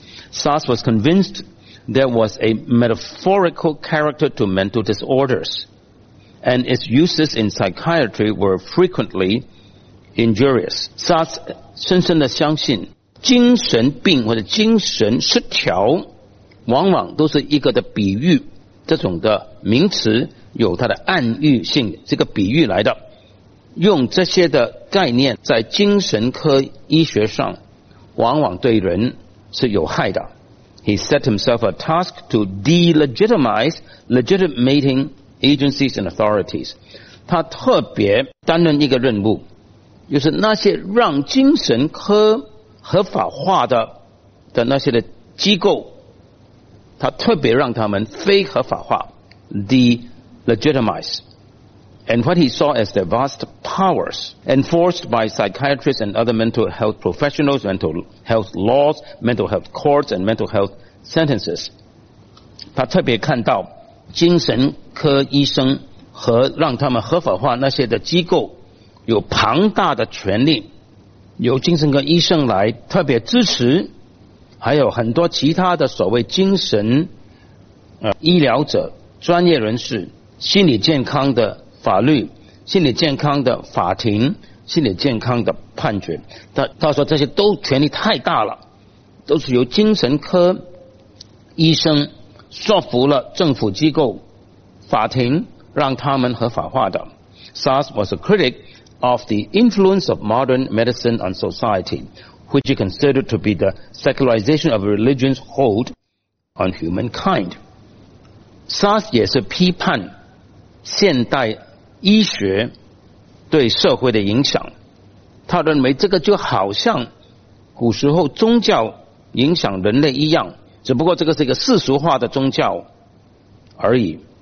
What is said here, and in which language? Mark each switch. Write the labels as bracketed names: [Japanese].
[English] SARS was convinced there was a metaphorical character to mental disorders and its uses in psychiatry were frequently injurious。 [Chinese] SARS 深深的相信精神病或者精神失调往往都是一个的比喻，这种的名词有它的暗喻性，这个比喻来的，用这些的概念在精神科医学上往往对人是有害的。 [English] He set himself a task to delegitimize legitimating agencies and authorities， [Chinese] 他特别担任一个任务，就是那些让精神科合法化的那些的机构，他特别让他们非合法化， delegitimize。 [English] And what he saw as the vast powers enforced by psychiatrists and other mental health professionals, mental health laws, mental health courts, and mental health sentences. [Chinese] 他特别看到精神科医生和让他们合法化那些的机构有庞大的权力，由精神科医生来特别支持，还有很多其他的所谓精神医疗者、专业人士、心理健康的法律、心理健康的法庭、心理健康的判决。他说这些都权力太大了，都是由精神科医生说服了政府机构、法庭，让他们合法化的。 [English] SARS was a critic of the influence of modern medicine on society, which he considered to be the secularization of religion's hold on humankind. [Chinese] SARS 也是批判现代医学对社会的影响，他认为这个就好像古时候宗教影响人类一样，只不过这个是一个世俗化的宗教而已。